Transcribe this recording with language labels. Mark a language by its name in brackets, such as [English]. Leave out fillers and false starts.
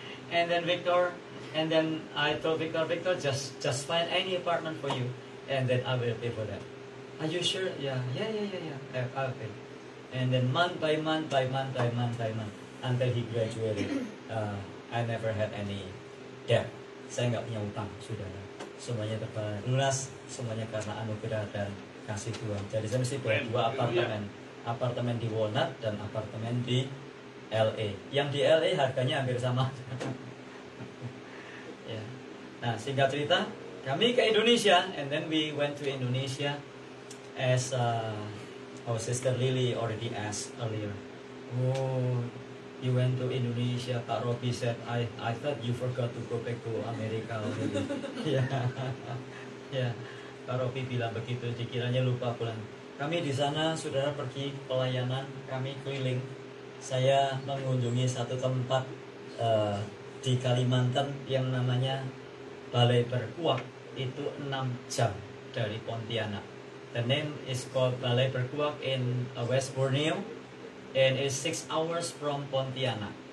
[English] And then Victor, and then I told Victor, "Victor, just find any apartment for you, and then I will pay for that." "Are you sure?" Yeah. I'll pay. And then month by month, until he graduated, I never had any debt. [Indonesian] Saya nggak punya utang, saudara. Semuanya terbayar lunas, semuanya karena anugerah dan kasih Tuhan. Jadi saya mesti punya dua apartemen, apartemen di Walnut dan apartemen di LA. Yang di LA harganya hampir sama. Ya. Nah, singkat cerita, kami ke Indonesia, [English] and then we went to Indonesia. As our sister Lily already asked earlier, "Oh, you went to Indonesia." Pak Robi said, I thought you forgot to go back to America." [Indonesian] Yeah. Pak Robi bilang begitu, dikiranya lupa pulang. Kami di sana, saudara, pergi pelayanan, kami keliling. Saya mengunjungi satu tempat di Kalimantan yang namanya Balai Berkuak. Itu 6 jam dari Pontianak. [English] The name is called Balai Berkuak in West Borneo, and it's 6 hours from Pontianak.